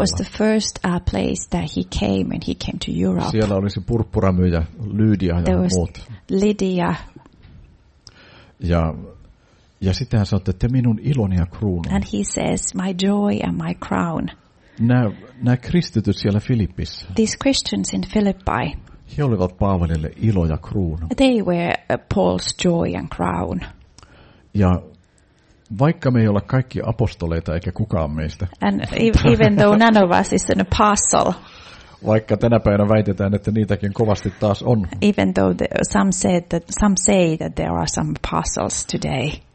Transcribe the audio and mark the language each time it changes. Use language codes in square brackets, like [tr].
[en] It was the first place that he came when he came to Europe. [fi] Siellä oli se purppuramyyjä Lydia ja [en] there [fi] muut. Lydia. Ja sitten hän sanoi, että minun iloni ja kruunu. [en] And he says, my joy and my crown. [fi] Nämä kristityt siellä Filippissä. [en] These Christians in Philippi. [fi] He olivat Paavalille ilo ja kruunu. [en] They were Paul's joy and crown. [fi] Ja vaikka me ei olla kaikki apostoleita eikä kukaan meistä. [en] And even though none of us is an apostle. [fi] Vaikka tänä päivänä väitetään, että niitäkin kovasti taas on. [en] Even though some say that there are some apostles today.